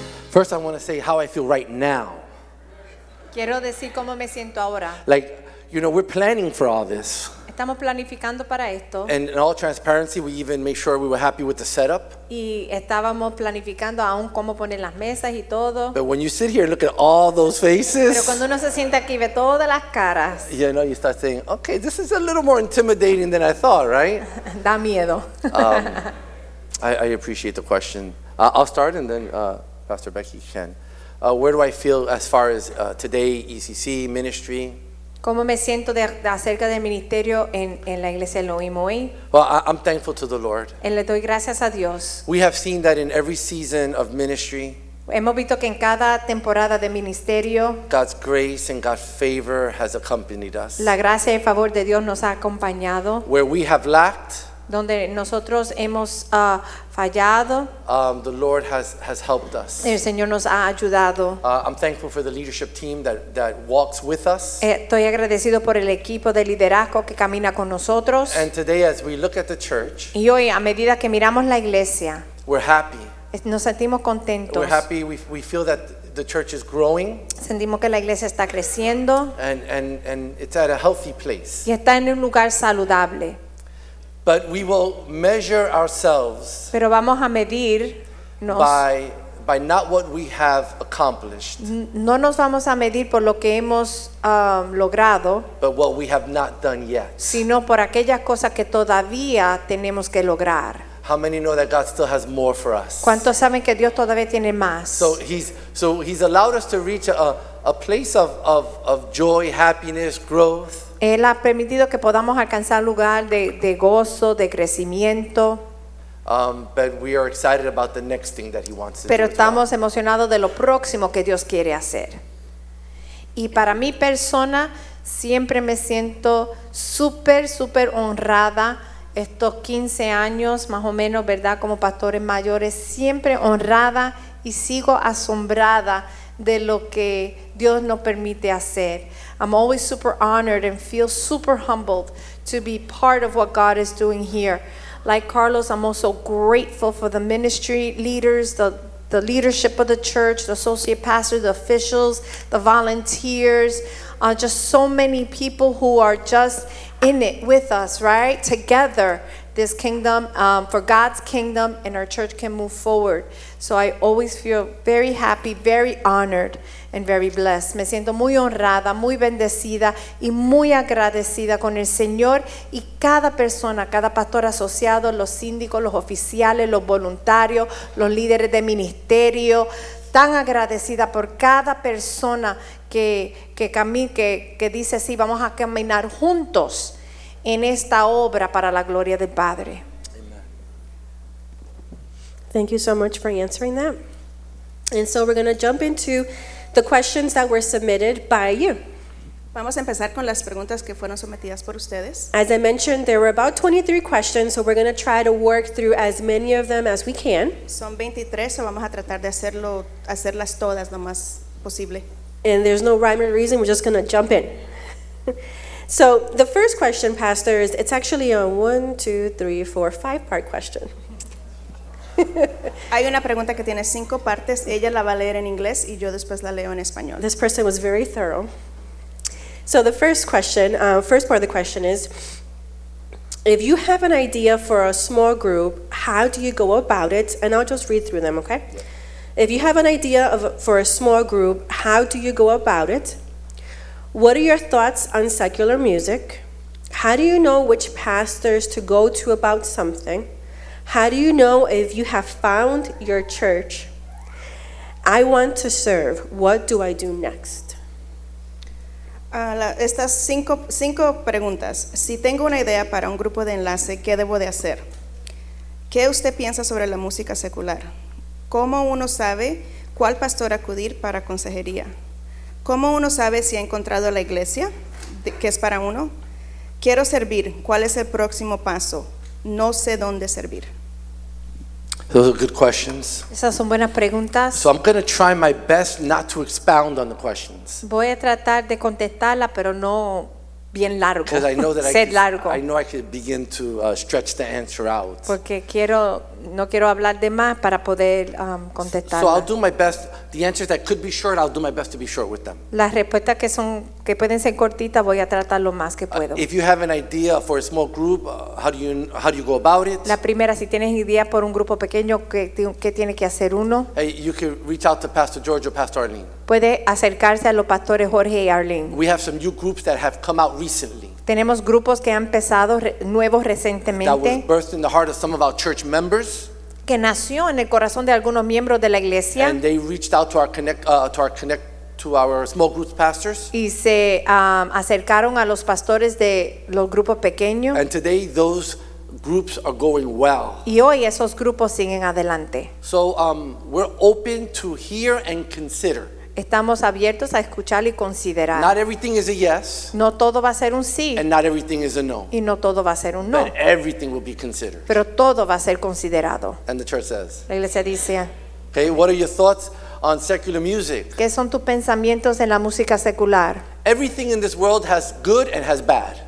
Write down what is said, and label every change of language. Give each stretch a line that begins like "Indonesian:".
English: First, I want to say how I feel right now.
Spanish: Quiero decir cómo me siento ahora.
English: Like, you know, we're planning for all this.
Spanish: Estamos planificando para esto.
English: And in all transparency, we even made sure we were happy with the setup.
Spanish: Y estábamos planificando aún cómo poner las mesas y todo.
English: But when you sit here and look at all those faces,
Spanish: pero cuando uno se sienta aquí y ve todas las caras,
English: you know, you start saying, okay, this is a little more intimidating than I thought, right?
Spanish: Da miedo.
English: I appreciate the question. I'll start and then Pastor Becky can. Where do I feel as far as today, ECC, ministry?
Spanish: ¿Cómo me siento de acerca del ministerio en la iglesia de Elohim hoy?
English: Well, I'm thankful to the Lord.
Spanish: Le doy gracias a Dios.
English: We have seen that in every season of ministry.
Spanish: Hemos visto que en cada temporada de ministerio,
English: God's grace and God's favor has accompanied us.
Spanish: La gracia y el favor de Dios nos ha acompañado.
English: Where we have lacked,
Spanish: donde nosotros hemos fallado,
English: the Lord has helped us.
Spanish: El Señor nos ha ayudado.
English: I'm thankful for the leadership team that walks with us.
Spanish: Estoy agradecido por el equipo de liderazgo que camina con nosotros.
English: And today, as we look at the church,
Spanish: y hoy a medida que miramos la iglesia,
English: we're happy.
Spanish: Nos sentimos contentos.
English: We're happy. We feel that the church is growing.
Spanish: Sentimos que la iglesia está creciendo.
English: And it's at a healthy place.
Spanish: Y está en un lugar saludable.
English: But we will measure ourselves
Spanish: pero vamos a medirnos
English: by not what we have accomplished.
Spanish: No nos vamos a medir por lo que hemos logrado,
English: but what we have not done yet.
Spanish: Sino por aquellas cosas que todavía tenemos que lograr.
English: How many know that God still has more for us?
Spanish: ¿Cuántos saben que Dios todavía tiene más?
English: So he's allowed us to reach a place of joy, happiness, growth.
Spanish: Él ha permitido que podamos alcanzar lugar de gozo, de crecimiento.
English: But we are excited about the next thing that he wants to do.
Spanish: Pero estamos emocionados de lo próximo que Dios quiere hacer. Y para mi persona, siempre me siento súper, súper honrada estos 15 años, más o menos, ¿verdad? Como pastores mayores, siempre honrada y sigo asombrada de lo que Dios nos permite hacer.
English: I'm always super honored and feel super humbled to be part of what God is doing here. Like Carlos, I'm also grateful for the ministry leaders, the leadership of the church, the associate pastor, the officials, the volunteers, just so many people who are just in it with us, right? Together, this kingdom, for God's kingdom, and our church can move forward. So I always feel very happy, very honored, and very blessed.
Spanish: Me siento muy honrada, muy bendecida, y muy agradecida con el Señor y cada persona, cada pastor asociado, los síndicos, los oficiales, los voluntarios, los líderes de ministerio. Tan agradecida por cada persona que dice sí, vamos a caminar juntos en esta obra para la gloria del Padre.
English: Amen. Thank you so much for answering that. And so we're going to jump into the questions that were submitted by you.
Spanish: Vamos a empezar con las preguntas que fueron sometidas por ustedes.
English: As I mentioned, there were about 23 questions, so we're going to try to work through as many of them as we can.
Spanish: Son 23, so vamos a tratar de hacerlas todas lo más posible.
English: And there's no rhyme or reason, we're just going to jump in. So the first question, Pastor, is it's actually a 1, 2, 3, 4, 5 part question.
Spanish: Hay una pregunta que tiene cinco partes. Ella la va a leer en inglés y yo después la leo en español.
English: This person was very thorough. So the first question, first part of the question is, if you have an idea for a small group, how do you go about it? And I'll just read through them, okay? Yeah. If you have an idea for a small group, how do you go about it? What are your thoughts on secular music? How do you know which pastors to go to about something? How do you know if you have found your church? I want to serve. What do I do next?
Spanish: Estas cinco preguntas. Si tengo una idea para un grupo de enlace, ¿qué debo de hacer? ¿Qué usted piensa sobre la música secular? ¿Cómo uno sabe cuál pastor acudir para consejería? ¿Cómo uno sabe si ha encontrado la iglesia que es para uno? Quiero servir. ¿Cuál es el próximo paso? No sé dónde servir.
English: Those are good questions.
Spanish: Esas son buenas preguntas.
English: So I'm going to try my best not to expound on the questions.
Spanish: Voy a tratar de contestarla, pero no bien largo.
English: Because I know that I could begin to stretch the answer out.
Spanish: Porque quiero no quiero hablar de más para poder contestar.
English: So I'll do my best. The answers that could be short, I'll do my best to be short with them.
Spanish: Las respuestas que son que pueden ser cortitas, voy a tratar lo más que puedo.
English: If you have an idea for a small group, how do you go about it?
Spanish: La primera, si tienes idea por un grupo pequeño, qué tiene que hacer uno.
English: Hey, you can reach out to Pastor George or Pastor Arlene.
Spanish: Puede acercarse a los pastores Jorge y Arlene.
English: We have some new groups that have come out recently.
Spanish: Tenemos grupos que han empezado nuevos recientemente.
English: That was birthed in the heart of some of our church members.
Spanish: Que nació en el corazón de algunos miembros de la iglesia.
English: And they reached out to our connect to our small groups pastors.
Spanish: Y se acercaron a los pastores de los grupos pequeños.
English: And today those groups are going well.
Spanish: Y hoy esos grupos siguen adelante.
English: So we're open to hear and consider.
Spanish: Estamos abiertos a escuchar y considerar.
English: Not everything is a yes.
Spanish: No todo va a ser un sí.
English: And not everything is a no.
Spanish: Y no todo va a ser un no.
English: But everything will be considered.
Spanish: Pero todo va a ser considerado.
English: And the church says.
Spanish: La iglesia dice.
English: Okay, what are your thoughts on secular music?
Spanish: ¿Qué son tus pensamientos en la música secular?
English: Everything in this world has good and has bad.